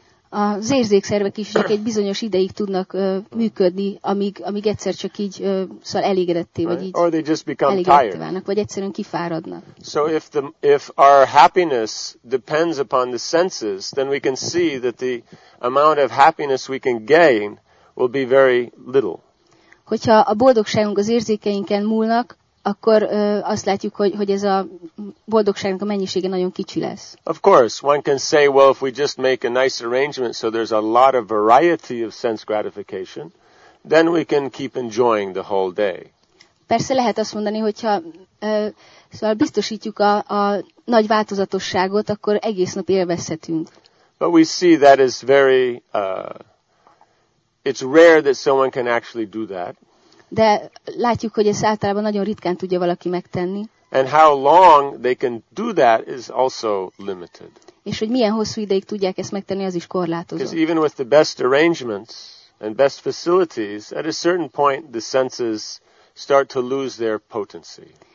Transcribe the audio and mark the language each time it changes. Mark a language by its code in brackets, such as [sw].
[hu] Az érzékszervek is csak egy bizonyos ideig tudnak működni, amíg egyszer csak így szóval elégedetté vagy így. [en] Or they just become tired. [hu] Válnak, vagy egyszerűen kifáradnak. [en] So if our happiness depends upon the senses, then we can see that the amount of happiness we can gain will be very little. [hu] Hogyha a boldogságunk az érzékeinken múlnak, akkor azt látjuk, hogy ez a boldogságnak a mennyisége nagyon kicsi lesz. [en] Of course, one can say, well, if we just make a nice arrangement so there's a lot of variety of sense gratification, then we can keep enjoying the whole day. [hu] Persze lehet azt mondani, hogyha szóval biztosítjuk a nagy változatosságot, akkor egész nap élvezhetünk. [en] But we see that is very it's rare that someone can actually do that. [hu] De látjuk, hogy ezt általában nagyon ritkán tudja valaki megtenni. [en] And how long they can do that is also limited. [hu] És hogy milyen hosszú ideig tudják ezt megtenni, az is korlátozott. [en] Because even with the best arrangements and best facilities, at a certain point the senses start to lose their potency.